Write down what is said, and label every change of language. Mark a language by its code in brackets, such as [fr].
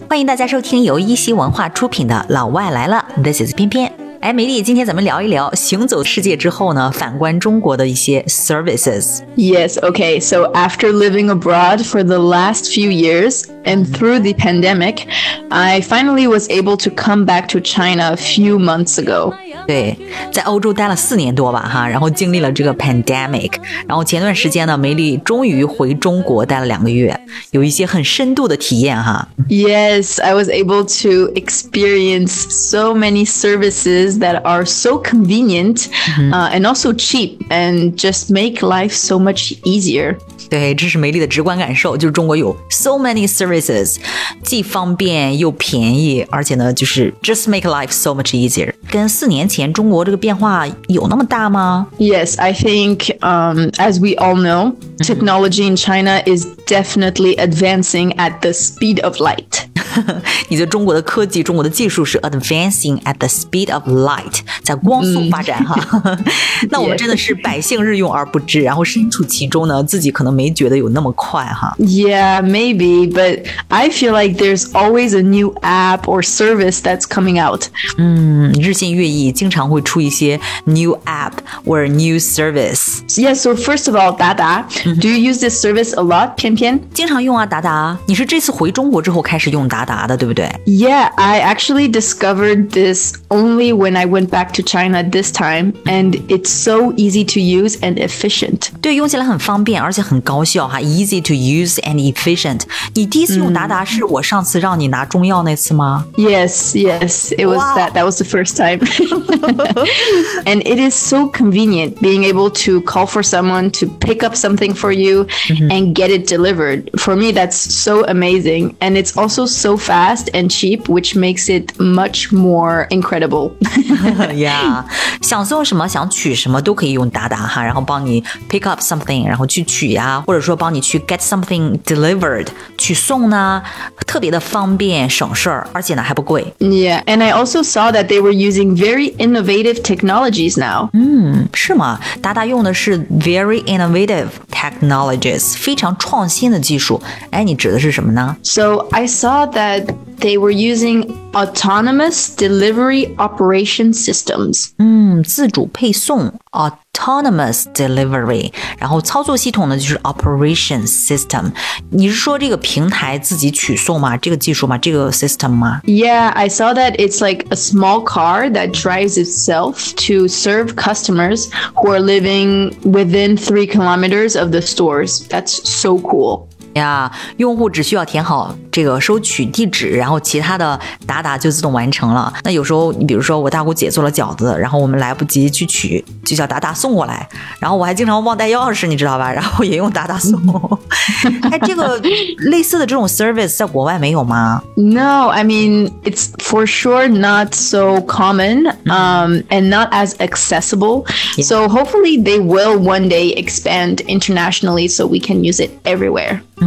[zh] 欢迎大家收听由一席文化出品的《老外来了》。 [en] This is 翩翩。 [zh] 哎，梅丽，今天咱们聊一聊行走世界之后呢，反观中国的一些 services. [en] Yes, okay. So after living abroad for the last few years and through the pandemic, I finally was able to come back to China a few months ago. [zh] 对，在欧洲待了四年多吧，哈，然后经历了这个 pandemic. 然后前段时间呢，梅丽终于回中国待了两个月，有一些很深度的体验，哈。 [en] Yes, I was able to experience so many services. That are so convenient、and also cheap and just make life so much easier. [zh] 对，这是梅丽的直观感受，就是中国有 [en] so many services, [zh] 既方便又便宜，而且呢，就是 [en] just make life so much easier. [zh] 跟四年前中国这个变化有那么大吗？ [en] Yes, I think, as we all know, technology in China is definitely advancing at the speed of light. [zh] 你的中国的科技中国的技术是 [en] advancing at the speed of light [zh] 在光速发展哈。那我们真的是百姓日用而不知然后身处其中呢自己可能没觉得有那么快哈。 [en] Yeah, maybe, but I feel like there's always a new app or service that's coming out. [zh] 日新月异经常会出一些 [en] new app or new service. Yeah, so first of all, Dada, do you use this service a lot, 翩翩？ [zh] 经常用啊达达你是这次回中国之后开始用达达的对不对 [en] Yeah, I actually discovered this only when I went back to China this time, and it's so easy to use and efficient. [zh] 对，用起来很方便，而且很高效哈 [en] easy to use and efficient. [zh] 你第一次用达达是我上次让你拿中药那次吗 [en] Yes, yes, it was、wow. that was the first time. And it is so convenient being able to call for someone to pick up something for you、mm-hmm. and get it delivered. For me, that's so amazing, and it's also so fast and cheap, which makes it much more incredible. [zh] yeah, 想送什么想取什么都可以用达达哈，然后帮你 [en] pick up something, [zh] 然后去取呀、啊，或者说帮你去 [en] get something delivered, [zh] 去送呢，特别的方便省事儿，而且呢还不贵。 [en] Yeah, and I also saw that they were using very innovative technologies now. [zh] 是吗？达达用的是 [en] very innovative technologies, [zh] 非常创新的技术。哎，你指的是什么呢 [en] ？So I saw that they were using autonomous delivery operation systems. [zh] 自主配送 [en] autonomous delivery. [zh] 然后操作系统呢就是 [en] operation system. [zh] 你是说这个平台自己取送吗？这个技术吗？这个 system 吗？ [en] Yeah, I saw that it's like a small car that drives itself to serve customers who are living within 3 kilometers of the stores. That's so cool. [zh] Yeah, 用户只需要填好这个收取地址然后其他的达达就自动完成了那有时候你比如说我大姑姐做了饺子然后我们来不及去取就叫达达送过来然后我还经常忘带钥匙你知道吧然后也用达达送哎，这个类似的这种 service 在国外没有吗 [en] No, I mean it's for sure not so common、and not as accessible、yeah. So hopefully they will one day expand internationally so we can use it everywhere